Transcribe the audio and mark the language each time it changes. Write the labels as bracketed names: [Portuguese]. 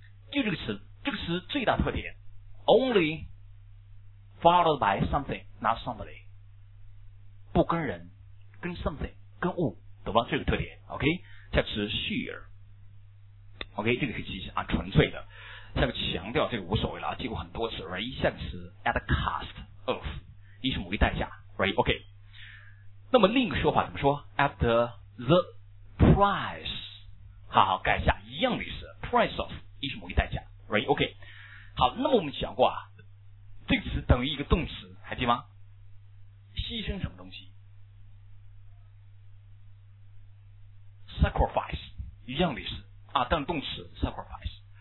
[Chinese] 就这个词，这个词最大特点 [English] only followed by something not somebody， [Chinese] 不跟人，跟 something， 跟物，懂吗？这个特点 OK。下个词 sheer OK， 这个可以记一下啊，纯粹的。下个强调，这个无所谓了，记过很多次 [English] right。 [Chinese] 下个词 [English] at the cost of， [Chinese] 以什么为代价 right OK。那么另一个说法怎么说？ [English] at the price， [Chinese] 好，改一下，一样的意思， [English] price ofy [Chinese] 什么为代价 right OK。好，那么我们讲过啊，这个词等于一个动词，还记吗？牺牲什么东西 sacrifice， 一样的意思啊，但是动词 sacrifice。